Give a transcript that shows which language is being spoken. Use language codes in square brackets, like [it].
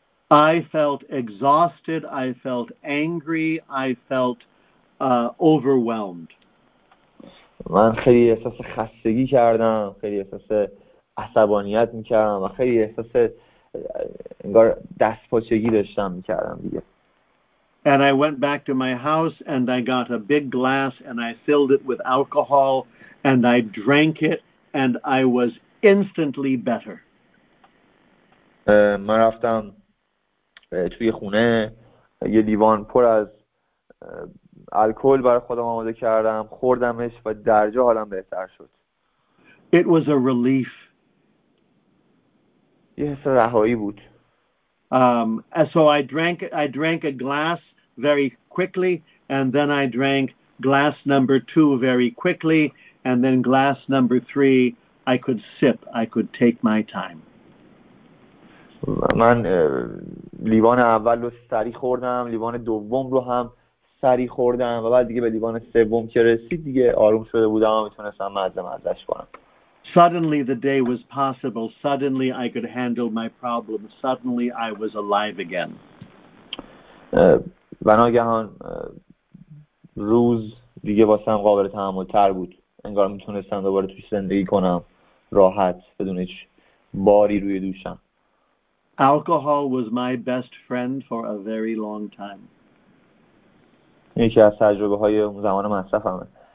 [en] I felt exhausted, I felt angry, I felt overwhelmed. [fa] من خیلی احساس خستگی کردم، خیلی احساس عصبانیت میکردم و خیلی احساس انگار دستپاچگی داشتم میکردم دیگه. [en] And I went back to my house and I got a big glass and I filled it with alcohol and I drank it and I was instantly better. [fa] من رفتم توی خونه یه لیوان پر از الکل برای خودم آماده کردم، خوردمش و درجا حالم بهتر شد. [en] It was a relief. [fa] یه حس رهایی بود. [en] So I drank a glass very quickly, and then I drank glass number two very quickly, and then glass number three, I could sip, I could take my time. [fa] من لیوان اول رو سری خوردم، لیوان دوم رو هم سری خوردم و بعد دیگه به لیوان سوم که رسید دیگه آروم شده بودم و میتونستم مزه مزش کنم. [en] Suddenly the day was possible. Suddenly I could handle my problem. Suddenly I was alive again. [fa] بناگهان روز دیگه واسم قابل تحمل تر بود، انگار میتونستم دوباره توش زندگی کنم راحت بدون هیچ باری روی دوشم. [en] Alcohol was my best friend for a very long time. [fa] یکی از تجربه های اون زمان مصرفمه.